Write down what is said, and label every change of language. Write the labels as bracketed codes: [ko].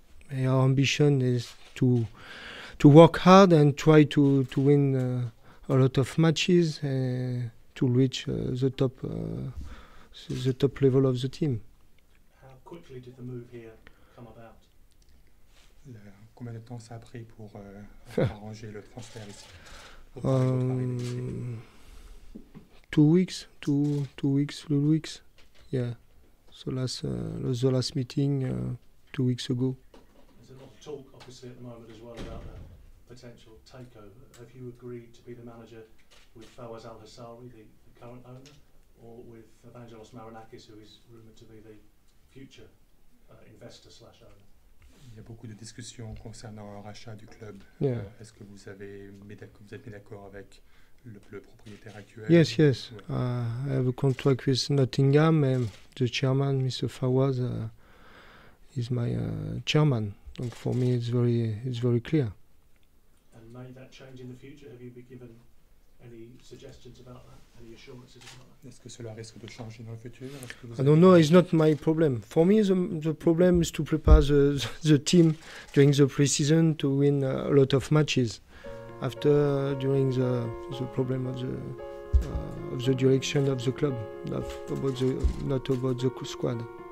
[en] And our ambition is to work hard and try to win a lot of matches and to reach the top the top level of the team. How quickly did the move here come about? [fr] Combien de temps ça a pris pour arranger le transfert ici? [en] 2 weeks, two weeks. Yeah. So the last meeting 2 weeks ago. There's a lot of talk obviously at the moment as well about a potential takeover. Have you agreed to be the manager with Fawaz Al Hasawi, the current owner? [fr] Il y a beaucoup de discussions concernant un rachat du club. [en] Yeah. [fr] Est-ce que vous êtes mis d'accord avec le propriétaire actuel? [en] Yes, yes. [fr] Ouais. [en] I have a contract with Nottingham and the chairman, Mr. Fawaz, is my chairman. [fr] Donc [en] for me, it's very clear. And may that change in the future? Have you been given any suggestions about that? [fr] Est-ce que cela risque de changer dans le futur? Non, [en] it's not my problem. For me, the problem is to prepare the team during the pre-season to win a lot of matches. After, during the problem of the direction of the club, not about the squad.